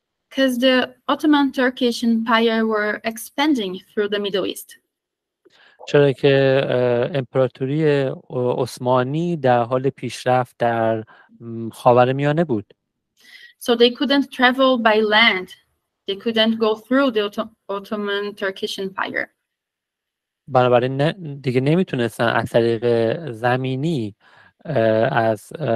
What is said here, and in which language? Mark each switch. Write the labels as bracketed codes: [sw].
[en] Because the Ottoman Turkish Empire were expanding through the Middle East. [fa] چرا که امپراتوری عثمانی در حال پیشرفت در خاورمیانه بود. [en] So they couldn't travel by land. They couldn't go through the Ottoman Turkish Empire. [fa] بنابراین دیگه نمیتونستن از طریق زمینی از